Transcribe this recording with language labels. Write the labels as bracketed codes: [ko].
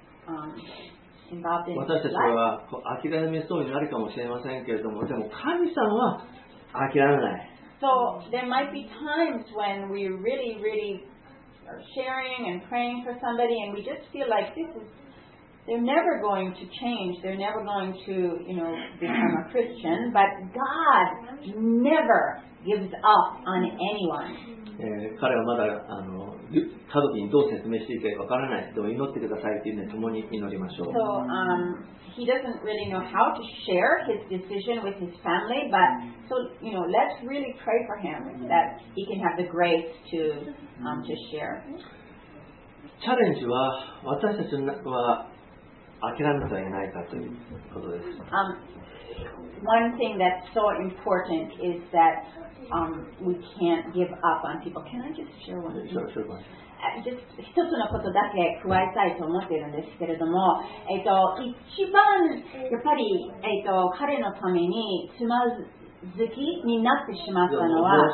[ja] 私たちは諦めそうになるかもしれませんけれども、でも神様は諦めない。 [en] So there might be times when we really, really are sharing and praying for somebody, and we just feel like this is they're never going to change, they're never going to, you know, become a Christian. But God never gives up on anyone. [ja] 彼はまだあの家族にどう説明していいか分からないでも祈ってくださいというので共に祈りましょう。 [en] So, he doesn't really know how to share his decision with his family, but so, you know, let's really pray for him that he can have the grace to, to share. [ja] チャレンジは私たちは諦めてはいないかということです。 [en] One thing that's so important is that we can't give up on people. Can I just share one thing? Just [ja] 一つのことだけ加えたいと思っているんですけれども、一番やっぱり、彼のためにつまずきになってしまったのは、